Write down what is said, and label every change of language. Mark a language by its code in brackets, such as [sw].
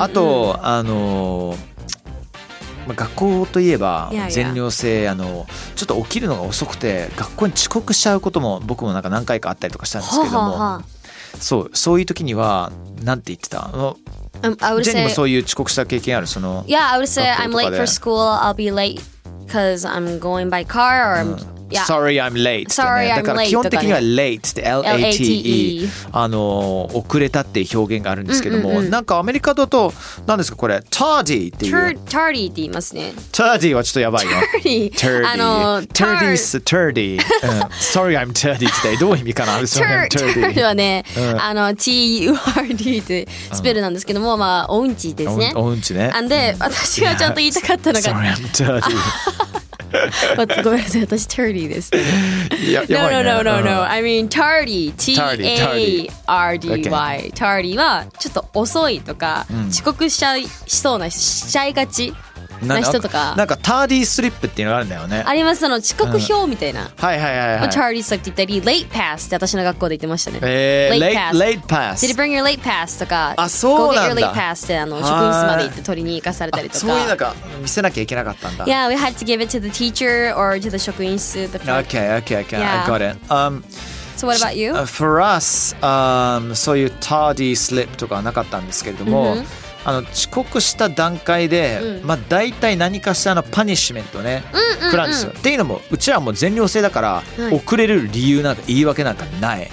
[ja] あとまあ、学校といえば全寮制、あのちょっと起きるのが遅くて学校に遅刻しちゃうことも僕もなんか何回かあったりとかしたんですけども、そういう時にはなんて言ってた、ジェニーもそういう遅刻した経験ある、その [en] Yeah, I would say I'm late for school. I'll be late because I'm going by car or I'm、うん、yeah. Sorry, I'm late. Sorry, I'm late. [ja] だから基本的には late って L-A-T-E、 あの遅れたっていう表現があるんですけども、うんうんうん、なんかアメリカだと何ですかこれ、 tardy っていう、 tardy って言いますね。 tardy はちょっとやばいよ。 [en] tardy、 tardy's tardy、 Sorry, I'm tardy [ja] って、 どういう意味かな。 tardy はね、あの T-U-R-D ってスペルなんですけども、まあおうんちですね。おうんちね。で、私がちょっと言いたかったのが、 [en] Sorry, I'm tardy。 [ja] ごめんなさい、私 tardy です。ね、 [en] no, no, no, no, no. I mean tardy, T-A-R-D-Y. Okay. [ja] Tardy はちょっと遅いとか、うん、遅刻しちゃいそうな、しちゃいがち。な人とか、なんかターディースリップっていうのがあるんだよね。あります、その遅刻表みたいな、うん、はいはいはいはい、チャーリースリップって言ったり、レイトパスって私の学校で言ってましたね。 [en] Late pass。 Did you bring your late pass とか、 [ja] あ、そうなんだ、 Go get your late pass って、あの職員室まで行って取りに行かされたりとか、そういうなんか見せなきゃいけなかったんだ。 [en] Yeah, we had to give it to the teacher or to the 職員室、 Okay, okay, okay, yeah. I got it、 So what about you? [ja] For us、そういうターディースリップとかはなかったんですけれども、あの遅刻した段階で、まあ、大体何かしらのパニッシュメントね、食らうんですよ。っていうのもうちらも全寮制だから、はい、遅れる理由なんか言い訳なんかない。